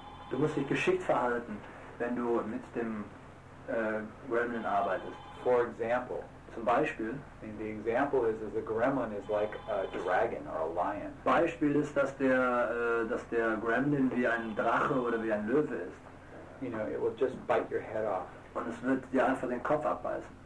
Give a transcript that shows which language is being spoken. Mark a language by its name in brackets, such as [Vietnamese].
[German] Du musst dich geschickt verhalten, wenn du mit dem Gremlin arbeitest. [English] For example. [German] Zum Beispiel. [English] And the example is the gremlin is like a dragon or a lion. [German] Beispiel ist, dass der Gremlin wie ein Drache oder wie ein Löwe ist. [English] You know, it will just bite your head off. [German] Und es wird dir einfach den Kopf abbeißen.